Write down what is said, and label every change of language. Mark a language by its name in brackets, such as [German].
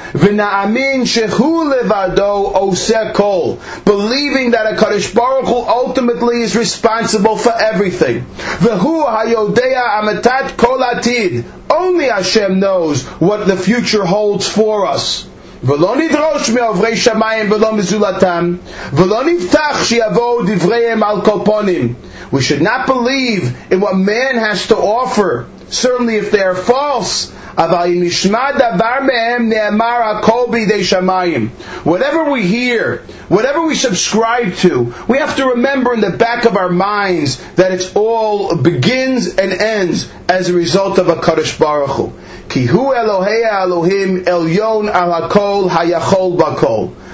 [Hebrew] V'na'amin shehu levado oseh kol, [English] believing that a Kadosh Baruch Hu ultimately is responsible for everything. [Hebrew] V'hu hayodea amatat kol atid, [English] only Hashem knows what the future holds for us. [Hebrew] ולא נדרוש מעוברי שמיים ולא מזולתם, ולא נבטח שיבואו דבריהם על קופונים. [English] We should not believe in what man has to offer, certainly if they are false. [Hebrew] אבל אם נשמע דבר מהם נאמר הכל בידי שמיים. [English] Whatever we hear, whatever we subscribe to, we have to remember in the back of our minds that it all begins and ends as a result of a Kadosh Baruch Hu. [Hebrew] Ki hu Elohei Elohim Elyon al hakol hayachol bakol.